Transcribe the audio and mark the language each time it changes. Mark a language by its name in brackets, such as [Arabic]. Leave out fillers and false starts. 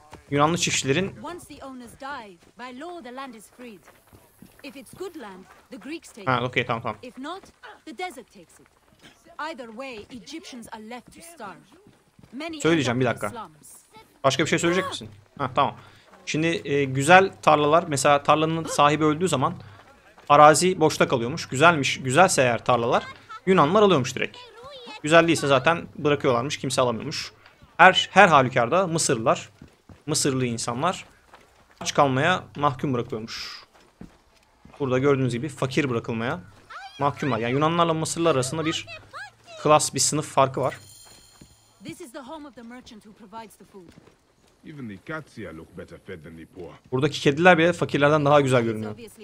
[Turkish] Yunanlı çiftçilerin. [English] Once the owners die, by law the land is freed. If it's good land, the Greeks take it. Ha, okay, tamam. If not, the desert takes it. Either way, Egyptians are left to starve. [Turkish] Söyleyeceğim, bir dakika. Başka bir şey söyleyecek misin? Ha, tamam. Şimdi güzel tarlalar, mesela tarlanın sahibi öldüğü zaman arazi boşta kalıyormuş. Güzelmiş, güzelse eğer tarlalar, Yunanlar alıyormuş direkt. Güzel değilse zaten bırakıyorlarmış, kimse alamıyormuş. Her halükarda Mısırlı insanlar aç kalmaya mahkum bırakıyormuş. Burada gördüğünüz gibi fakir bırakılmaya mahkumlar. Yani Yunanlarla Mısırlılar arasında bir klas, bir sınıf farkı var. [English] This is the home of the merchant who provides the food. Even the cats here look better fed than the poor. [Turkish] Buradaki kediler bile fakirlerden daha güzel görünüyor.